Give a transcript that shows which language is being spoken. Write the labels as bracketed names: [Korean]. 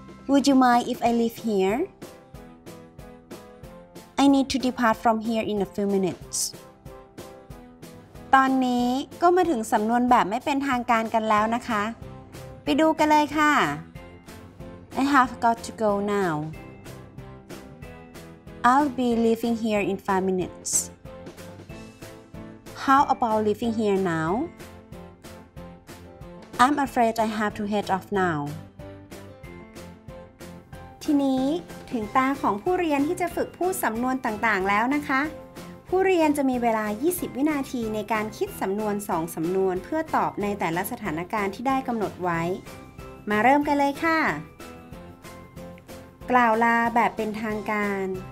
[English] Would you mind if I leave here? I need to depart from here in a few minutes [Thai] ตอนนี้ก็มาถึงสำนวนแบบไม่เป็นทางการกันแล้วนะคะไปดูกันเลยค่ะ [English] I have got to go now. I'll be leaving here in 5 minutes. How about leaving here now? I'm afraid I have to head off now. [Thai] ทีนี้ถึงตาของผู้เรียนที่จะฝึกพูดสำนวนต่างๆแล้วนะคะผู้เรียนจะมีเวลา20วินาทีในการคิดสำนวน2สำนวนเพื่อตอบในแต่ละสถานการณ์ที่ได้กำหนดไว้มาเริ่มกันเลยค่ะกล่าวลาแบบเป็นทางการ